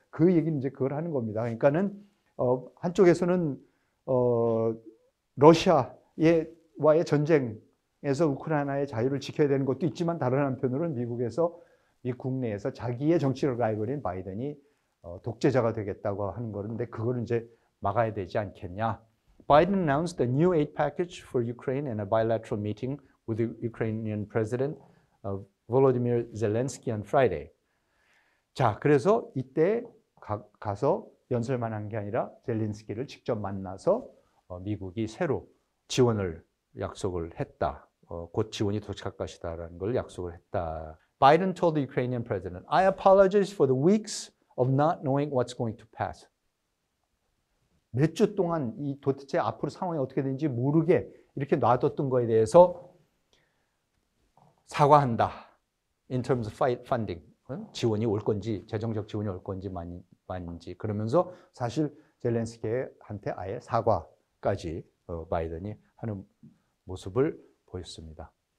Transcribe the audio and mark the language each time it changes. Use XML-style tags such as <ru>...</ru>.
<ko>그 얘기는 이제 그걸 하는 겁니다. 그러니까는 한쪽에서는 러시아와의 전쟁에서 우크라이나의 자유를 지켜야 되는 것도 있지만 다른 한편으로는 미국에서 이 국내에서 자기의 정치적 라이벌인 바이든이 독재자가 되겠다고 하는 거는데 그걸 이제 막아야 되지 않겠냐.</ko> <en>Biden announced a new aid package for Ukraine and a bilateral meeting with the Ukrainian president of Volodymyr Zelensky on Friday.</en> <ko>자, 그래서 이때 가서 연설만 한 게 아니라 젤렌스키를 직접 만나서 미국이 새로 지원을 약속을 했다. 곧 지원이 도착할 것이다라는 걸 약속을 했다.</ko> <en>Biden told the Ukrainian president, I apologize for the weeks of not knowing what's going to pass.</en> <ko>몇 주 동안 이 도대체 앞으로 상황이 어떻게 되는지 모르게 이렇게 놔뒀던 거에 대해서 사과한다.</ko> <en>In terms of funding,</en> <ko>지원이 올 건지 재정적 지원이 올 건지 만인지 그러면서 사실 젤렌스키한테 아예 사과까지 바이든이 하는 모습을 보였습니다.</ko>